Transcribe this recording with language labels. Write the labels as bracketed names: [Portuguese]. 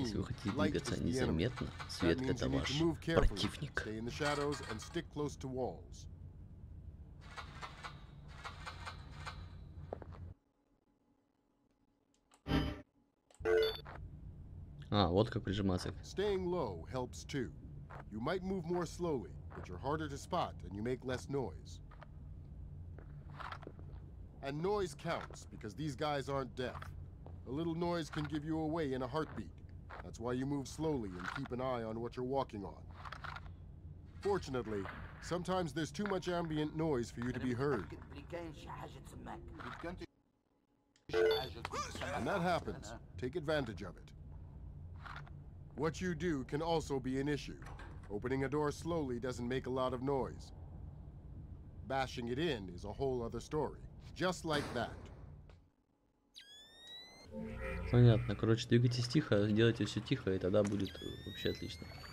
[Russian] если вы хотите двигаться незаметно, свет — это ваш противник. [English] Stay in the shadows and stick close to walls. [Russian] А, вот как прижиматься. [English] Staying low helps too. You might move more slowly, but you're harder to spot and you make less noise. And noise counts, because these guys aren't deaf. A little noise can give you away in a heartbeat. That's why you move slowly and keep an eye on what you're walking on. Fortunately, sometimes there's too much ambient noise for you to be heard. And that happens. Take advantage of it. What you do can also be an issue. Opening a door slowly doesn't make a lot of noise. Bashing it in is a whole other story. Just like that. [Russian] Понятно. Короче, двигайтесь тихо, делайте все тихо, и тогда будет вообще отлично.